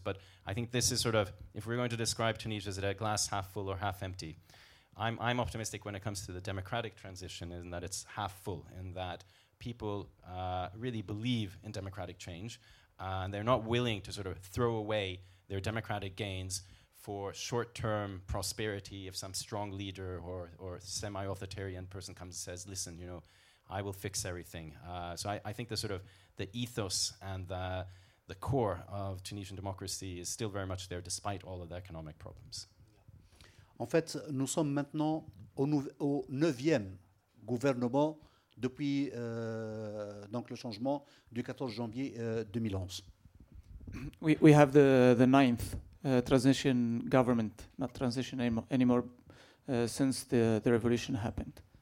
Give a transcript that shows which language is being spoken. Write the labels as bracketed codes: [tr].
[en] But I think this is sort of, if we're going to describe Tunisia as a glass half full or half empty, I'm optimistic when it comes to the democratic transition, in that it's half full, in that people really believe in democratic change, and they're not willing to sort of throw away their democratic gains for short-term prosperity if some strong leader or semi-authoritarian person comes and says, listen, you know, I will fix everything. So I think the sort of the ethos and the core of Tunisian democracy is still very much there despite all of the economic problems. [fr] En fait, nous sommes maintenant au neuvième gouvernement depuis donc le changement du 14 janvier 2011. [en] We have the ninth transition government, not transition anymore, since the revolution happened.